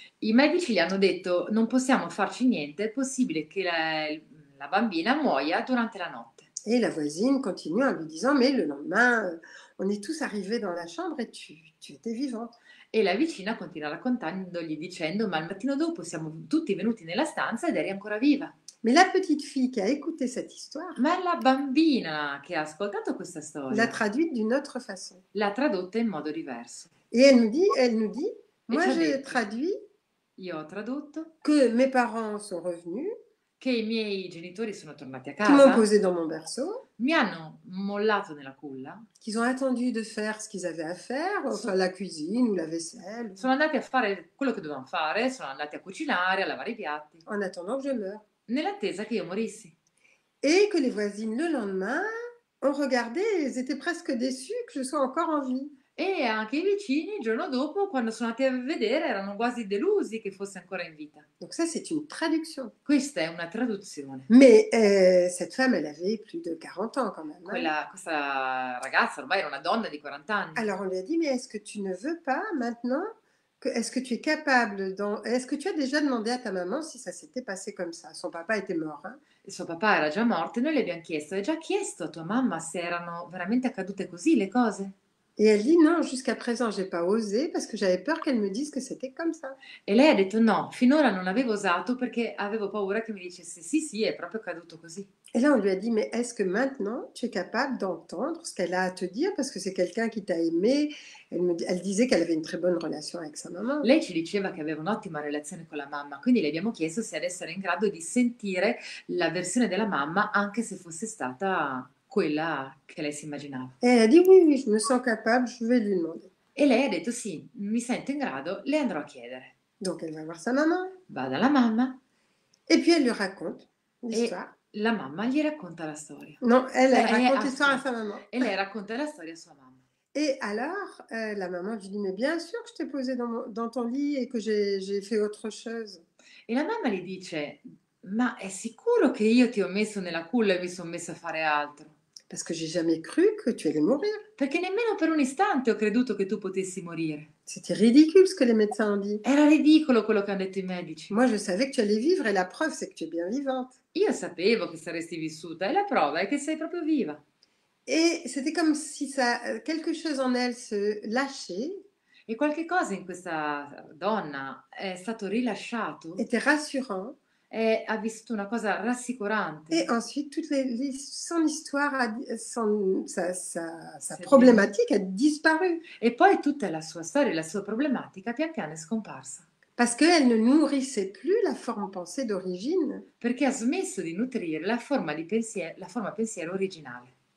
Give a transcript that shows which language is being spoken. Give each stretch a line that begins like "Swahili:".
Italian: I medici gli hanno detto, non possiamo farci niente, è possibile che la bambina muoia durante la notte.
French: Et la voisine continue en lui disant, mais le lendemain, on est tous arrivés dans la chambre et tu étais vivante.
Italian: E la vicina continua raccontandogli dicendo, ma il mattino dopo siamo tutti venuti nella stanza ed eri ancora viva.
French: Mais la petite fille qui a écouté cette histoire.
Italian: Ma la bambina che ha ascoltato questa storia. L'ha tradotta
French: d'une autre façon.
Italian: L'ha tradotta in modo diverso.
French: Et elle nous dit, moi j'ai traduit.
Italian: Io ho tradotto.
French: Que mes parents sont revenus.
Italian: Che i miei genitori sono tornati a casa.
French: Qui m'ont posé dans mon berceau.
Italian: Mi hanno mollato nella culla.
French: Qu'ils ont attendu de faire ce qu'ils avaient à faire, enfin la cuisine ou la vaisselle.
Italian: Sono andati a fare quello che dovevano fare, sono andati a cucinare, a lavare i piatti.
French: En attendant que je meure.
Italian: Nell'attesa che io morissi.
French: Et que les voisines le lendemain ont regardé, elles étaient presque déçues que je sois encore en vie.
Italian: E anche i vicini il giorno dopo, quando sono andati a vedere, erano quasi delusi che fosse ancora in vita.
French: Donc ça c'est une traduction.
Italian: Questa è una traduzione.
French: Mais cette femme elle avait plus de 40 ans quand même.
Italian: Questa ragazza ormai era una donna di 40 anni.
French: Alors on lui a dit, mais est-ce que tu ne veux pas maintenant Est-ce que tu es capable est-ce que tu as déjà demandé à ta maman si ça s'était passé comme ça? Son papa était mort, hein?
Italian: Suo papà era già morto e noi le abbiamo chiesto, hai già chiesto a tua mamma se erano veramente accadute così le cose?
French: Et elle dit non, jusqu'à présent, j'ai pas osé parce que j'avais peur qu'elle me dise que c'était comme ça.
Italian: E lei ha detto no, finora non avevo osato perché avevo paura che mi dicesse sì, sì, è proprio accaduto così.
French: Et là, on lui a dit, mais est-ce que maintenant tu es capable d'entendre ce qu'elle a à te dire parce que c'est quelqu'un qui t'a aimé? Elle disait qu'elle avait une très bonne relation avec sa maman.
Italian: Lei ci diceva che aveva un'ottima relazione con la mamma, quindi le abbiamo chiesto se adesso era in grado di sentire la versione della mamma anche se fosse stata quella che lei si immaginava.
French: Et elle a dit, oui, oui, je me sens capable, je vais lui demander.
Italian: E lei ha detto, sì, mi sento in grado, le andrò a chiedere.
French: Donc elle va voir sa maman.
Italian: Va dalla mamma.
French: Et puis elle lui raconte l'histoire.
Italian: La mamma gli racconta la storia. No, elle racconta la storia a sua mamma. E lei racconta la storia a sua mamma.
French: Et alors, la maman lui dit, mais bien sûr que je t'ai posé dans ton lit et que j'ai fait autre chose.
Italian: E la mamma gli dice, ma è sicuro che io ti ho messo nella culla e mi sono messa a fare altro?
French: Parce que j'ai jamais cru que tu allais mourir.
Italian: Perché nemmeno per un istante ho creduto che tu potessi morire.
French: C'était ridicule ce que les médecins ont dit.
Italian: Era ridicolo quello che hanno detto i medici.
French: Moi je savais que tu allais vivre et la preuve c'est que tu es bien vivante.
Italian: Io sapevo che saresti vissuta e la prova è che sei proprio viva.
French: Et c'était comme si ça, quelque chose en elle se lâchait.
Italian: E qualche cosa in questa donna è stato rilasciato.
French: Était rassurant.
Italian: E ha vissuto una cosa rassicurante.
French: Et ensuite, toute son histoire, sa problématique a disparu.
Italian: E poi tutta la sua storia, la sua problematica, pian piano è scomparsa.
French: Parce qu'elle ne nourrissait plus la forme pensée d'origine.
Italian: Perché ha smesso di nutrire la forma di pensiero, la forma pensiero originale.